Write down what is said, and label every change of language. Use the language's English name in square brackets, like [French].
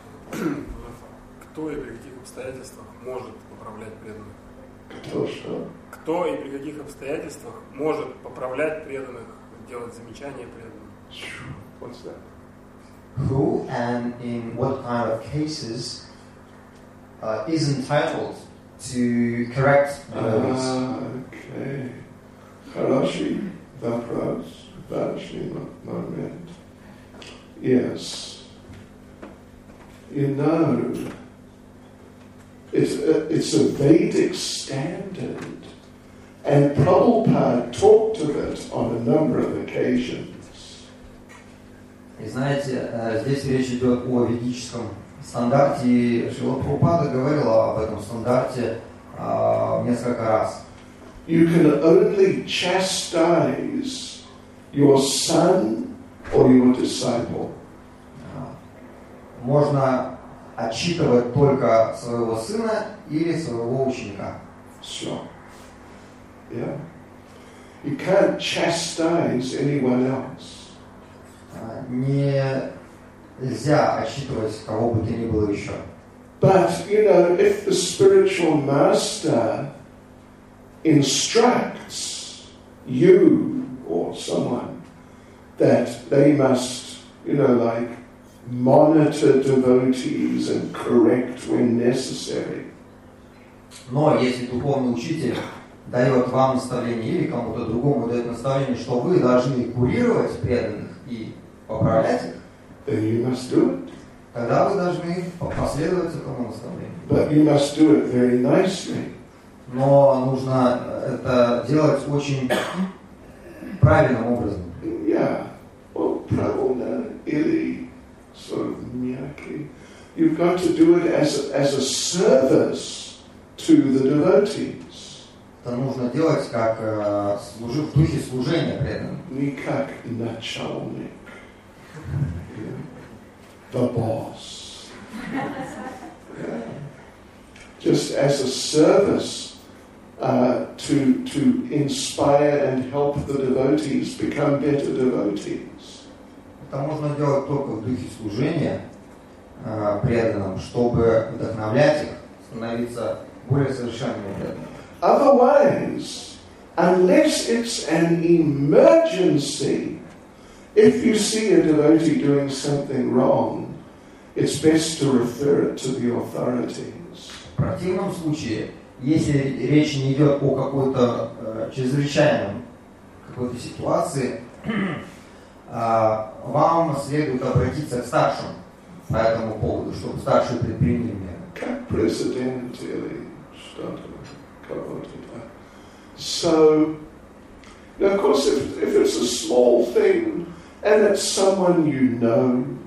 [Russian] Кто и при каких обстоятельствах может поправлять преданных? Кто что? Кто и при каких обстоятельствах может поправлять преданных, делать замечания преданным? [English] What's that? Who and in what kind of cases is entitled to correct devotees? [Russian] Okay. Хороший вопрос. Хороший момент. Yes. [English] You know, it's a Vedic standard, and Prabhupada talked of it on a number of occasions. [Russian] И знаете, здесь речь идет о ведическом стандарте, Шрила Прабхупада говорила об этом стандарте несколько раз. [English] You can only chastise your son or your disciple. [Russian] Можно отчитывать только своего сына или своего ученика. Все. [English] Yeah. You can't chastise anyone else. [Russian] Нельзя отчитывать кого бы то ни было еще. [English] But, you know, if the spiritual master instructs you or someone that they must, you know, like, monitor devotees and correct when necessary. [Russian] Но если духовный учитель дает вам наставление или кому-то другому дает наставление, что вы должны курировать преданных и поправлять их, [English] then you must do it. [Russian] Тогда вы должны последовать этому наставлению. [English] But you must do it very nicely. [Russian] Но нужно это делать очень правильным образом. [English] Yeah. Well, [Russian] правильно или [English] sort of miyake. You've got to do it as a service to the devotees. [Russian] Это нужно делать как служи в духе служения преданным. Не как начальник. [English] The boss. Just as a service to inspire and help the devotees become better devotees. [Russian] Это можно делать только в духе служения преданным, чтобы вдохновлять их становиться более совершенными преданными. [English] Otherwise, unless it's an emergency, if you see a devotee doing something wrong, it's best to refer it to the authorities. [Russian] В противном случае, если речь не идет о какой-то чрезвычайном какой-то ситуации, вам следует обратиться к старшим. по этому поводу, чтобы старшие предприняли меры. Как президент или что-то, кого-то, да. [English] So, of course, if it's a small thing, and it's someone you know.